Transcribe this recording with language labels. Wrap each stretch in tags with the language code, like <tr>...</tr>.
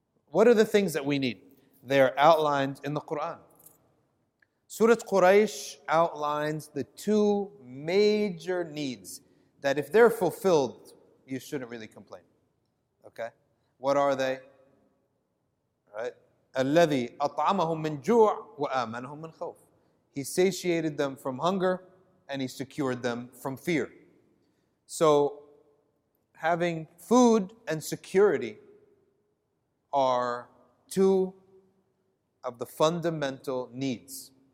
<en>What are the things that we need? They are outlined in the Quran. Surah Quraysh outlines the two major needs that if they're fulfilled, you shouldn't really complain. Okay? What are they? right?</en> <ar>الذي أطعمهم من جوع وآمنهم من خوف.</ar> <en>He satiated them from hunger and he secured them from fear. So having food and security are two of the fundamental needs.</en>